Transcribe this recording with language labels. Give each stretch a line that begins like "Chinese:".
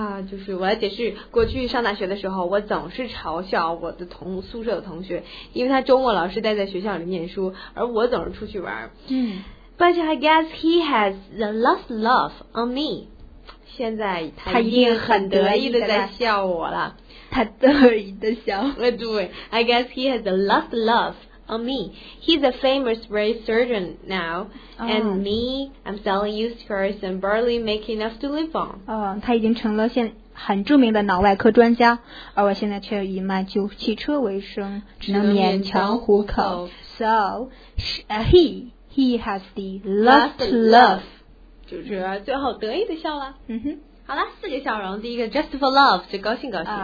Chinese: 就是我来解释，过去上大学的时候，我总是嘲笑我的宿舍的同学，因为他周末老是待在学校里念书，而我总是出去玩。
English: But I guess he has the last laugh on me.
Chinese: 现在他一定很得意的在笑我了。他得意的笑。
English: 对 ，I guess he has the last laugh on me. He's a famous brain surgeon now. And me, I'm selling used cars and barely make enough to live on.
Chinese: 他已经成了很著名的脑外科专家，而我现在却以卖旧汽车为生，只能勉强糊口。
English: So, he has the last laugh.
Chinese: 就是最后得意的笑了。好了，四个笑容，第一个
English: just for love,
Chinese: 就高兴高兴。